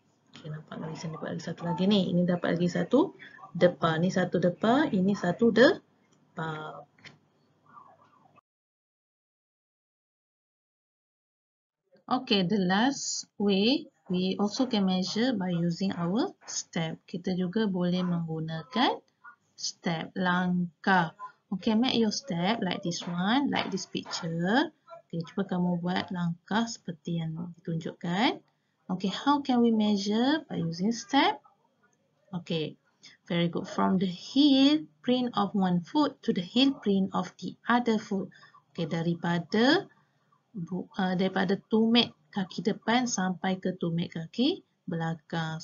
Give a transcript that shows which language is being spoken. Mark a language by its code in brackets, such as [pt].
[ms] Okay, nampak lagi sini dapat lagi satu lagi ni. Ini dapat lagi satu depa. Ini satu depa, ini satu depa. [en] Okay, the last way, we also can measure by using our step. [ms] Kita juga boleh menggunakan step, langkah. [en] Okay, make your step like this one, like this picture. [ms] Okay, cuba kamu buat langkah seperti yang ditunjukkan. [en] Okay, how can we measure by using step? Okay, very good. From the heel print of one foot to the heel print of the other foot. [ms] Okay, daripada tumit kaki depan sampai ke tumit kaki belakang.